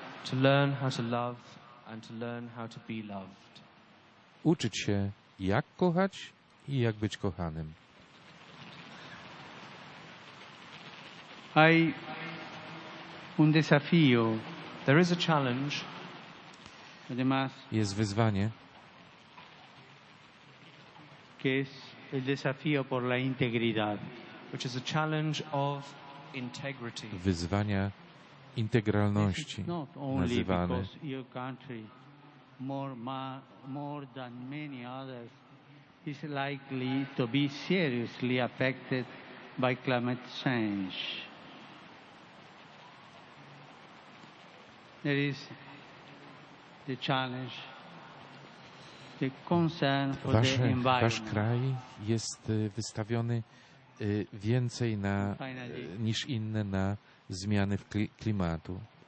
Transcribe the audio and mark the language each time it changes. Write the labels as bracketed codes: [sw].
[en] To learn how to love and to learn how to be loved. [pl] Uczyć się, jak kochać i jak być kochanym. [es] Hay un desafío. [en] There is a challenge. [es] Además, [pl] jest wyzwanie. [es] Que es el desafío por la integridad. [en] Which is a challenge of integrity. [pl] Wyzwania integralności nazywane. [en] Your country more than many others is likely to be seriously affected by climate change. There is the challenge, the concern for the environment. [pl] Wasz kraj jest wystawiony więcej na niż inne na zmiany w klimatu.